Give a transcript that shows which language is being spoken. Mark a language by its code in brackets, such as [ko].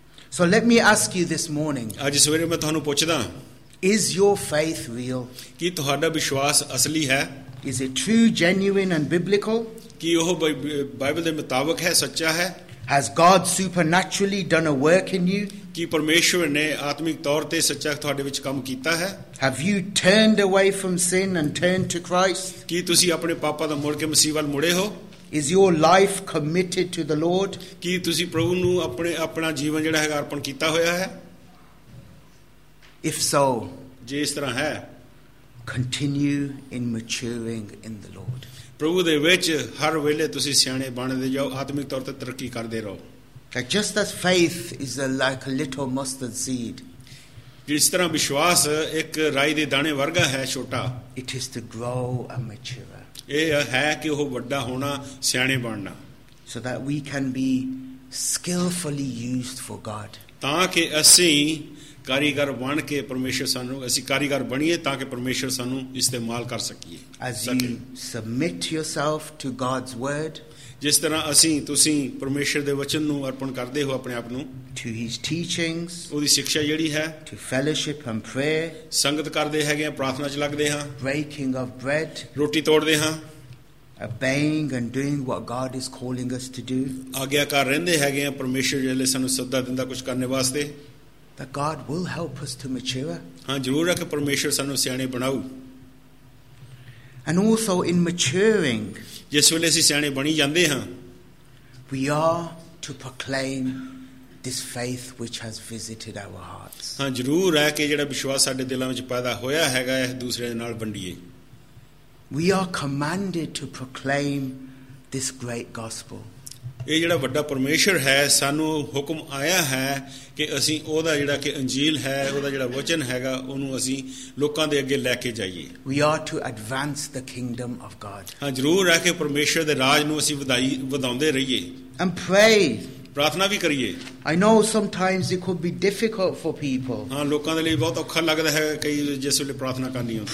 [en] So let me ask you this morning. [pa] Ajj sveray main tuhanu puchda. [en] Is your faith real? [pa] Ki tuhada vishwas asli hai? [en] Is it true, genuine and biblical? [pa] Ki oh Bible de mutabik hai, sachcha hai? [en] Has God supernaturally done a work in you? [pa] ਕਿ ਪਰਮੇਸ਼ਵਰ ਨੇ ਆਤਮਿਕ ਤੌਰ ਤੇ ਸੱਚਾ ਤੁਹਾਡੇ ਵਿੱਚ ਕੰਮ ਕੀਤਾ ਹੈ? [en] Have you turned away from sin and turned to Christ? [pa] ਕੀ ਤੁਸੀਂ ਆਪਣੇ ਪਾਪਾਂ ਤੋਂ ਮੁੜ ਕੇ ਮਸੀਹ ਵੱਲ ਮੁੜੇ ਹੋ? [en] Is your life committed to the Lord? [pa] ਕੀ ਤੁਸੀਂ ਪ੍ਰਭੂ ਨੂੰ ਆਪਣਾ ਜੀਵਨ ਜਿਹੜਾ ਹੈਗਾ ਅਰਪਣ ਕੀਤਾ ਹੋਇਆ ਹੈ? [en] If so, [pa] ਜੇ ਇਸ ਤਰ੍ਹਾਂ ਹੈ, [en] continue in maturing in the Lord. [pa] ਪ੍ਰਭੂ ਦੇ ਵਿੱਚ ਹਰ ਵੇਲੇ ਤੁਸੀਂ ਸਿਆਣੇ ਬਣਦੇ ਜਾਓ, ਆਤਮਿਕ ਤੌਰ ਤੇ ਤਰੱਕੀ ਕਰਦੇ ਰਹੋ। [en] That just as faith is like a little mustard seed. [pa] ਜਿਸ ਤਰ੍ਹਾਂ ਵਿਸ਼ਵਾਸ ਇੱਕ ਰਾਈ ਦੇ ਦਾਣੇ ਵਰਗਾ ਹੈ ਛੋਟਾ। [en] It is to grow and mature. [pa] ਇਹ ਹੈ ਕਿ ਉਹ ਵੱਡਾ ਹੋਣਾ, ਸਿਆਣੇ ਬਣਨਾ। [en] So that we can be skillfully used for God. [pa] ਤਾਂ ਕਿ ਅਸੀਂ ਕਾਰੀਗਰ ਬਣ ਕੇ ਪਰਮੇਸ਼ਰ ਸਾਨੂੰ ਅਸੀਂ ਕਾਰੀਗਰ ਬਣੀਏ ਤਾਂ ਕਿ ਪਰਮੇਸ਼ਰ ਸਾਨੂੰ ਇਸਤੇਮਾਲ ਕਰ ਸਕੀਏ। [en] As you submit yourself to God's word. [pa] ਜਿਸ ਤਰ੍ਹਾਂ ਅਸੀਂ ਤੁਸੀਂ ਪਰਮੇਸ਼ਰ ਦੇ ਵਚਨ ਨੂੰ ਅਰਪਣ ਕਰਦੇ ਹੋ ਆਪਣੇ ਆਪ ਨੂੰ [en] to his teachings [pa] ਉਹਦੀ ਸਿੱਖਿਆ ਜਿਹੜੀ ਹੈ [en] to fellowship and prayer [pa] ਸੰਗਤ ਕਰਦੇ ਹੈਗੇ ਆ ਪ੍ਰਾਰਥਨਾ ਚ ਲੱਗਦੇ ਹਾਂ [en] breaking of bread [pa] ਰੋਟੀ ਤੋੜਦੇ ਹਾਂ [en] obeying and doing what god is calling us to do [pa] ਆਗਿਆਕਾਰ ਰਹਿੰਦੇ ਹੈਗੇ ਆ ਪਰਮੇਸ਼ਰ ਜਿਹੜੇ ਸਾਨੂੰ ਸੱਦਾ ਦਿੰਦਾ ਕੁਝ ਕਰਨ ਵਾਸਤੇ [en] that God will help us to mature. [pa] ਹਾਂ ਜ਼ਰੂਰ ਹੈ ਕਿ ਪਰਮੇਸ਼ਰ ਸਾਨੂੰ ਸਿਆਣੇ ਬਣਾਉ. [en] And also in maturing, [pa] ਜਿਸ ਵੇਲੇ ਅਸੀਂ ਸਿਆਣੇ ਬਣੀ ਜਾਂਦੇ ਹਾਂ, [en] we are to proclaim this faith which has visited our hearts. [pa] ਹਾਂ ਜ਼ਰੂਰ ਹੈ ਕਿ ਜਿਹੜਾ ਵਿਸ਼ਵਾਸ ਸਾਡੇ ਦਿਲਾਂ ਵਿੱਚ ਪੈਦਾ ਹੋਇਆ ਹੈਗਾ ਇਹ ਦੂਸਰੇ ਦੇ ਨਾਲ ਵੰਡੀਏ. [en] We are commanded to proclaim this great gospel. [pa] ਇਹ ਜਿਹੜਾ ਵੱਡਾ ਪਰਮੇਸ਼ਰ ਹੈ ਸਾਨੂੰ ਹੁਕਮ ਆਇਆ ਹੈ ਕਿ ਅਸੀਂ ਉਹਦਾ ਜਿਹੜਾ ਕਿ ਅੰਜੀਲ ਹੈ ਉਹਦਾ ਜਿਹੜਾ ਵਚਨ ਹੈਗਾ ਉਹਨੂੰ ਅਸੀਂ ਲੋਕਾਂ ਦੇ ਅੱਗੇ ਲੈ ਕੇ ਜਾਈਏ. [en] We are to advance the kingdom of God. [pa] ਹਾਂ ਜ਼ਰੂਰ ਹੈ ਕਿ ਪਰਮੇਸ਼ਰ ਦੇ ਰਾਜ ਨੂੰ ਅਸੀਂ ਵਧਾਉਂਦੇ ਰਹੀਏ. [en] And pray. [pa] ਪ੍ਰਾਰਥਨਾ ਵੀ ਕਰੀਏ. [en] I know sometimes it could be difficult for people. [pa] ਹਾਂ ਲੋਕਾਂ ਦੇ ਲਈ ਬਹੁਤ ਔਖਾ ਲੱਗਦਾ ਹੈ ਕਈ ਜਿਸ ਵੇਲੇ ਪ੍ਰਾਰਥਨਾ ਕਰਨੀ ਹੁੰਦੀ.